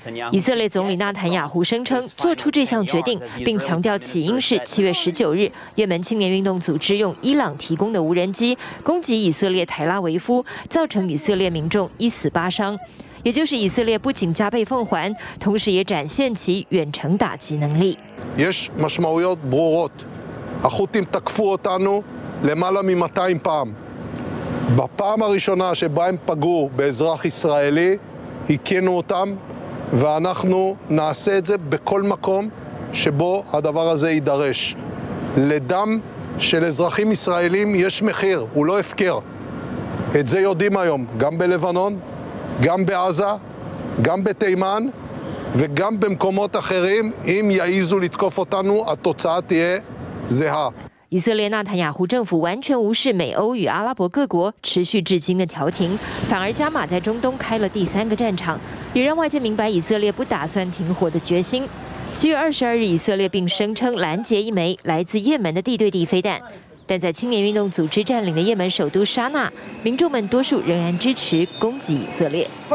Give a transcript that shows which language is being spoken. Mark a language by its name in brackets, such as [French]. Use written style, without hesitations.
[Chinese] 以色列总理纳坦雅胡声称做出这项决定，并强调起因是7月19日，也门青年运动组织用伊朗提供的无人机攻击以色列台拉维夫，造成以色列民众1死8伤。也就是以色列不仅加倍奉还，同时也展现其远程打击能力。 [Hebrew] יש משמעויות ברורות. החותים תקפו אותנו למעלה מ-200 פעם. בפעם הראשונה שבה הם פגעו באזרח ישראלי, הכינו אותם, ואנחנו נעשה את זה בכל מקום שבו הדבר הזה יידרש. לדם של אזרחים ישראלים יש מחיר, הוא לא הפקר. את זה יודעים היום, גם בלבנון, גם בעזה, גם בתימן, וגם במקומות אחרים, אם יעיזו לתקוף אותנו, התוצאה תהיה זהה. [Chinese] 以色列纳坦雅胡政府完全无视美欧与阿拉伯各国持续至今的调停，反而加码在中东开了第三个战场，也让外界明白以色列不打算停火的决心。 7月22日，以色列并声称拦截一枚来自也门的地对地飞弹，但在青年运动组织占领的也门首都沙那，民众们多数仍然支持攻击以色列。